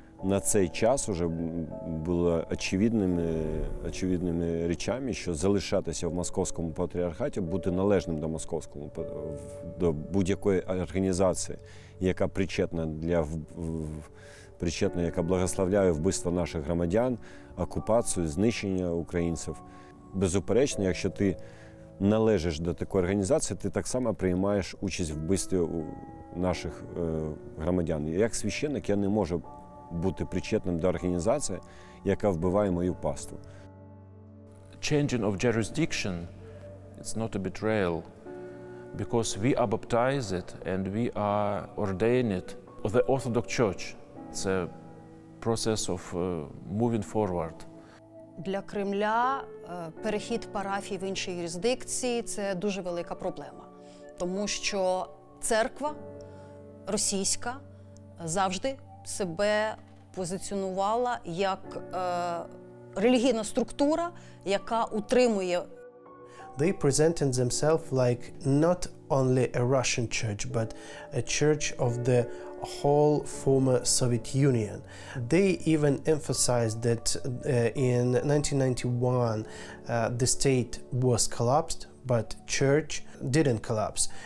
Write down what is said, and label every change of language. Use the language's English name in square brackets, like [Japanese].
[Ukrainian] на цей час вже було очевидними речами, що залишатися в московському патріархаті, бути належним до московського, до будь-якої організації, яка причетна для причетна, яка благословляє вбивство наших громадян, окупацію, знищення українців. Безуперечно, якщо ти належиш до такої організації, ти так само приймаєш участь в вбивстві наших громадян. Як священник, я не можу бути причетним до організації, яка вбиває мою паству. [English] Changing of jurisdiction, it's not a betrayal, because we are baptized and we are ordained of the Orthodox Church. [Ukrainian] Це процес [English] of moving forward. [Ukrainian] Для Кремля перехід парафії в іншій юрисдикції – це дуже велика проблема. Тому що церква російська завжди себе позиціонувала як релігійна структура, яка утримує. [English] They presented themselves like not only a Russian church, but a church of the whole former Soviet Union. They even emphasized that in 1991 the state was collapsed, but church didn't collapse.